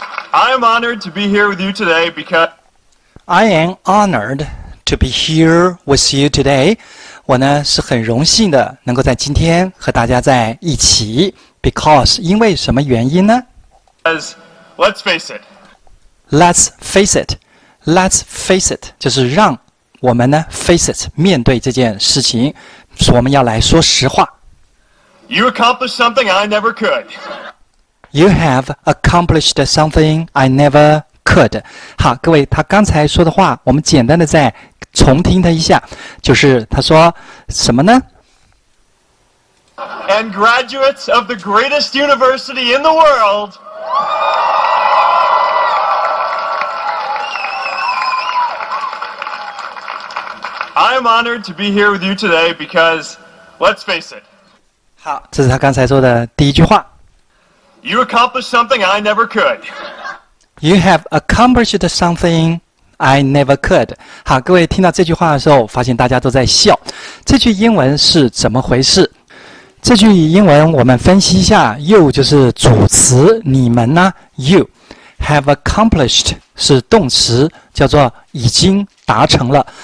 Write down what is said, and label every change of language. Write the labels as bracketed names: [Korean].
[English] I'm honored to be here with you today because I am honored to be here with you today. [Chinese] 我呢是很荣幸的能够在今天和大家在一起。 [English] Because [Chinese] 因为什么原因呢 [English] ？As let's face it. Let's face it. Let's face it. [Chinese] 就是让我们呢 [English] face it [Chinese] 面对这件事情，我们要来说实话。 [English] You accomplished something I never could. You have accomplished something I never could. [Chinese] 好，各位，他刚才说的话，我们简单的再重听他一下，就是他说什么呢？ [English] And graduates of the greatest university in the world. I am honored to be here with you today because, let's face it. [Chinese] 好，这是他刚才说的第一句话。 [English] You accomplished something I never could. You have accomplished something. I never could. [Chinese] 好，各位听到这句话的时候，发现大家都在笑。这句英文是怎么回事？这句英文我们分析一下 ，you 就是主词，你们呢 ？ [English] You have accomplished [Chinese] 是动词，叫做已经达成了。